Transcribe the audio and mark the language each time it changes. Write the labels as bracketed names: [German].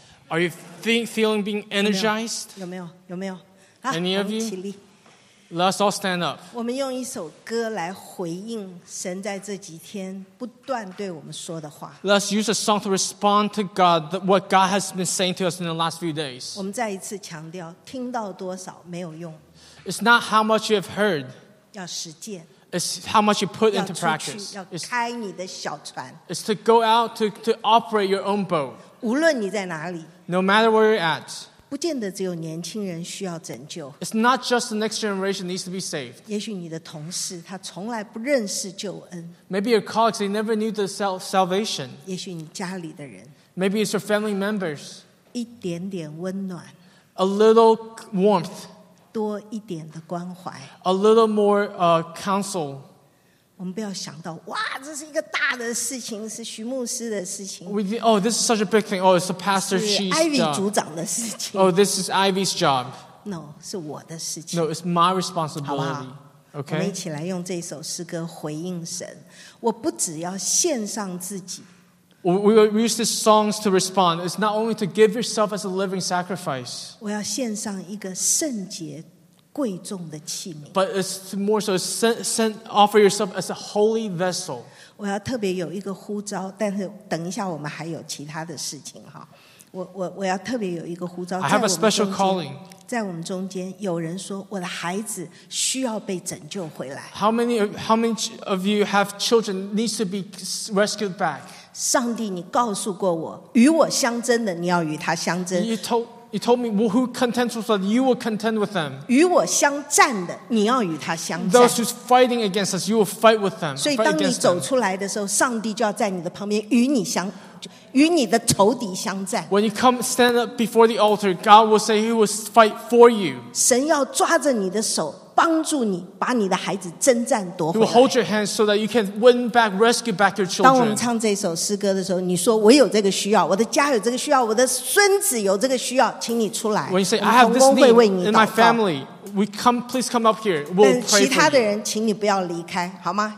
[English] Are you feeling being energized? [Chinese] 有没有？有没有？ [English] Any of you? Let's all stand up. [Chinese] 我们用一首歌来回应神在这几天不断对我们说的话。 [English] Let's use a song to respond to God, what God has been saying to us in the last few days. [Chinese] 我们再一次强调，听到多少没有用。 [English] It's not how much you have heard. [Chinese] 要实践。 [English] It's how much you put into practice. [Chinese] 要出去，要开你的小船。 [English] It's to go out to operate your own boat. [Chinese] 无论你在哪里。 [English] No matter where you're at. [Chinese] 不见得只有年轻人需要拯救。 [English] It's not just the next generation needs to be saved. [Chinese] 也许你的同事他从来不认识救恩。 [English] Maybe your colleagues they never knew the salvation. [Chinese] 也许你家里的人。 [English] Maybe it's your family members. [Chinese] 一点点温暖。 [English] A little warmth. [Chinese] 多一点的关怀。 [English] A little more counsel. [Chinese] 我们不要想到哇，这是一个大的事情，是徐牧师的事情。 [English] Oh, this is such a big thing. Oh, it's the pastor. She's [Chinese] Ivy 组长的事情。 [English] Oh, this is Ivy's job. [Chinese] No, 是我的事情。 [English] No, it's my responsibility. [Chinese] 好不好？ Okay. 我们一起来用这首诗歌回应神。我不只要献上自己。 [English] We use these songs to respond. It's not only to give yourself as a living sacrifice. [Chinese] 我要献上一个圣洁。贵重的器皿 [English] but it's more so send offer yourself as a holy vessel. [Chinese] 我要特别有一个呼召，但是等一下我们还有其他的事情哈。我要特别有一个呼召。 [English] I have a special calling. [Chinese] 在我们中间有人说我的孩子需要被拯救回来。 [English] How many of you have children needs to be rescued back? [Chinese] 上帝，你告诉过我，与我相争的，你要与他相争。 [English] You told me who contends with us, you will contend with them. [Chinese] 与我相战的，你要与他相战。 [English] Those who's fighting against us, you will fight with them. [Chinese] 所以当你走出来的时候，上帝就要在你的旁边与你相，与你的仇敌相战。 [English] When you come stand up before the altar, God will say He will fight for you. [Chinese] 神要抓着你的手，帮助你把你的孩子征战夺回来。 [English] He will hold your hand so that you can win back, rescue back your children. [Chinese] 当我们唱这首诗歌的时候，你说我有这个需要，我的家有这个需要，我的孙子有这个需要，请你出来。 [English] When you say I have this need in my family, we come, please come up here. We'll pray for you. [Chinese] 其他的人，请你不要离开，好吗？